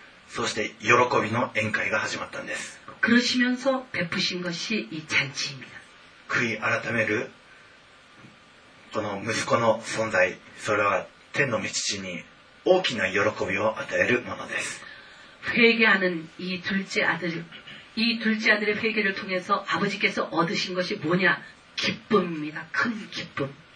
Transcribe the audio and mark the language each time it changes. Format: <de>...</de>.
<ja>そして喜びの宴会が始まったんです。</ja> <ko>그러시면서베푸신것이이잔치입니다</ko> <ja>悔い改めるこの息子の存在それは天の御父に大きな喜びを与えるものです。</ja> <ko>회개하는이둘째아들이둘째아들의회개를통해서아버지께서얻으신것이뭐냐기쁨입니다큰기쁨</ko>